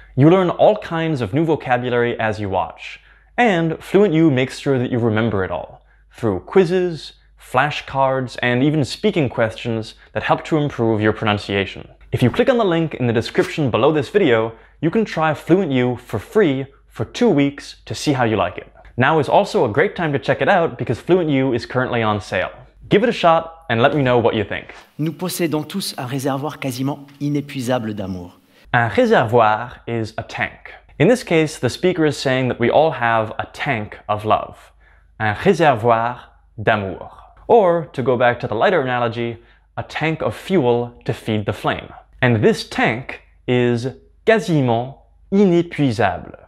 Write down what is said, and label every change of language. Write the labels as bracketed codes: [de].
[en] You learn all kinds of new vocabulary as you watch, and FluentU makes sure that you remember it all through quizzes, flashcards, and even speaking questions that help to improve your pronunciation. If you click on the link in the description below this video, you can try FluentU for free for 2 weeks to see how you like it. Now is also a great time to check it out because FluentU is currently on sale. Give it a shot and let me know what you think. [fr] Nous possédons tous un réservoir quasiment inépuisable d'amour. [en] Un réservoir is a tank. In this case, the speaker is saying that we all have a tank of love. [fr] Un réservoir d'amour. [en] Or, to go back to the lighter analogy, a tank of fuel to feed the flame. And this tank is [fr] quasiment inépuisable.